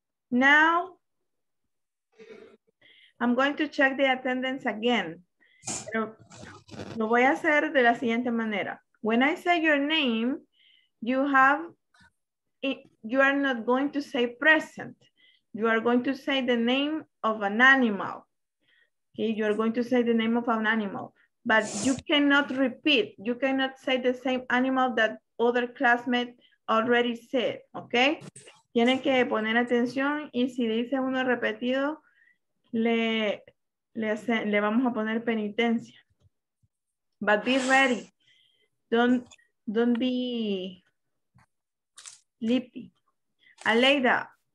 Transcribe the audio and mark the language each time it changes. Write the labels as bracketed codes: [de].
[en] Now, I'm going to check the attendance again. [es] Pero lo voy a hacer de la siguiente manera. [en] When I say your name, you are not going to say present. You are going to say the name of an animal. Okay, you are going to say the name of an animal. But you cannot repeat. You cannot say the same animal that other classmates already said, okay? [es] Tienen que poner atención y si dice uno repetido, le vamos a poner penitencia. [en] But be ready. Don't be sleepy. Aleida.